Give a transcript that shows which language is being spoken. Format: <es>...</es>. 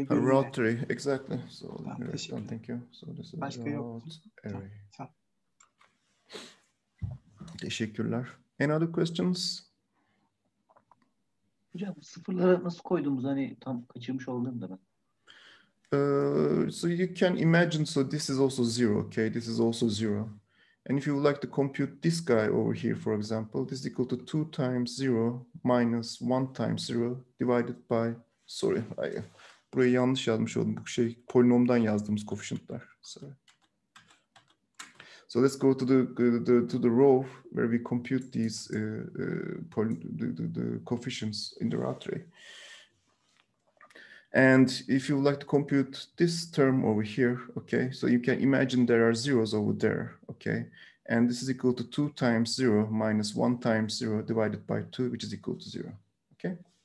<tr>görünüyor.</tr> <en>Route array, exactly. So, tamam, thank you. So this is</en> <tr>başka yok.</tr> <en>Array. Tamam.</en> <tr>Teşekkürler.</tr> <en>Any other questions?</en> <tr>Hocam sıfırlara nasıl koyduğumuz hani tam kaçırmış olabilirim de ben.</tr> <en>So you can imagine, so this is also zero, okay? This is also zero. And if you would like to compute this guy over here, for example, this is equal to 2 times 0 - 1 times 0 divided by, sorry, hayır.</en> <tr>Burayı yanlış yazmış oldum. Bu şey polinomdan yazdığımız koefficientler. Sorry.</tr> <en>So let's go to the row where we compute these the coefficients in the Routh tree. And if you would like to compute this term over here, okay, so you can imagine there are zeros over there, okay, and this is equal to 2 times 0 minus 1 times 0 divided by 2, which is equal to 0, okay.</en>